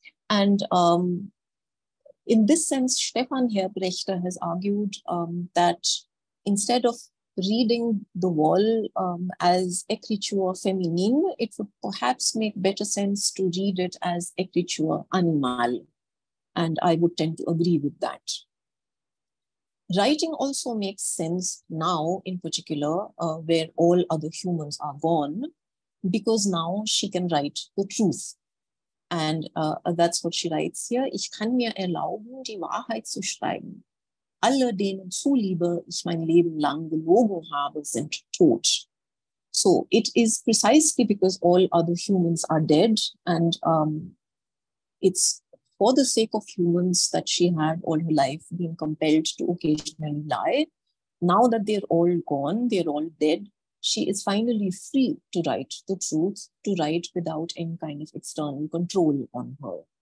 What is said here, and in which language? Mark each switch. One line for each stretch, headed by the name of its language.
English: And in this sense, Stefan Herbrechter has argued that instead of reading the wall as écriture féminine, it would perhaps make better sense to read it as écriture animale. And I would tend to agree with that. Writing also makes sense now, in particular, where all other humans are gone, because now she can write the truth. And that's what she writes here.
German: Ich kann mir erlauben, die Wahrheit zu schreiben. Alle, denen zuliebe ich mein Leben lang gelogen habe, sind tot.
English: So it is precisely because all other humans are dead, and it's for the sake of humans that she had all her life been compelled to occasionally lie. Now that they're all gone, they're all dead, she is finally free to write the truth, to write without any kind of external control on her.